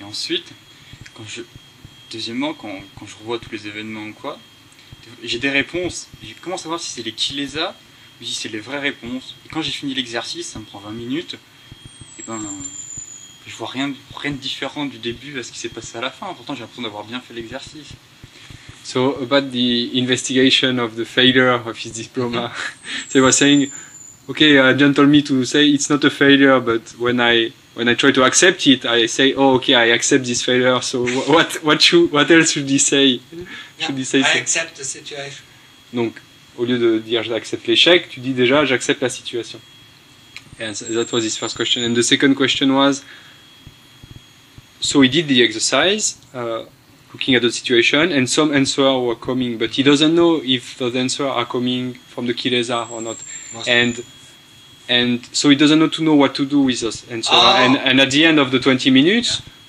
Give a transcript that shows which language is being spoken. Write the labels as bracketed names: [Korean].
[French] Et ensuite, quand je. Deuxièmement, quand je revois tous les événements ou quoi, j'ai des réponses. Je commence à voir si c'est les kilesas ou si c'est les vraies réponses. Et quand j'ai fini l'exercice, ça me prend 20 minutes, et ben, je vois rien de différent du début à ce qui s'est passé à la fin. Pourtant, j'ai l'impression d'avoir bien fait l'exercice. [English] So, about the investigation of the failure of his diploma. They were saying, okay, John told me to say it's not a failure, but when I try to accept it, I say, oh, okay, I accept this failure. So what else should he say? Yeah, should he say I accept the situation. [French] Donc, au lieu de dire j'accepte l'échec, tu dis déjà j'accepte la situation. [English] And that was his first question. And the second question was, so he did the exercise, looking at the situation, and some answers were coming, but he doesn't know if those answers are coming from the kilesa or not. And so he doesn't know to know what to do with us. And so and at the end of the 20 minutes, yeah.